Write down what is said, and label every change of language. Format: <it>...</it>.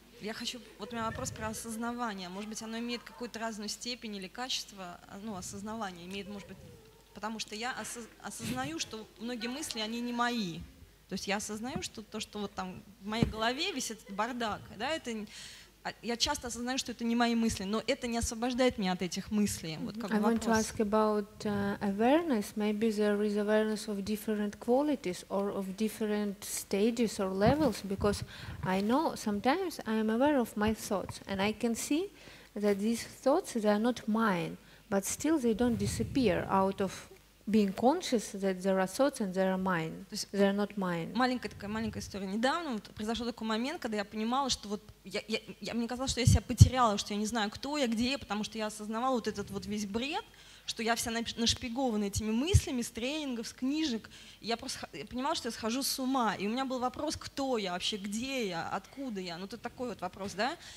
<ru>Я хочу, вот у меня вопрос про осознавание. Может быть, оно имеет какую-то разную степень или качество, осознавание имеет, может быть, потому что я осознаю, что многие мысли, они не мои. То есть я осознаю, что то, что вот там в моей голове висит бардак, да, это... Я часто осознаю, что это не мои мысли, но это не освобождает меня от этих мыслей. Вот как вопрос.</ru> <en>I want to ask about awareness. Maybe there is awareness of different qualities or of different stages or levels, because I know sometimes I am aware of my thoughts and I can see that these thoughts, they are not mine, but still they don't disappear out of being conscious that there are thoughts and they are mine. They are not mine.</en> <ru>Маленькая история. Недавно вот произошел такой момент, когда я понимала, что вот я мне казалось, что я себя потеряла, что я не знаю, кто я, где я, потому что я осознавала вот этот вот весь бред, что я вся нашпигована этими мыслями с тренингов, с книжек. Я понимала, что я схожу с ума. И у меня был вопрос, кто я вообще, где я, откуда я. Ну, это такой вот вопрос, да?</ru>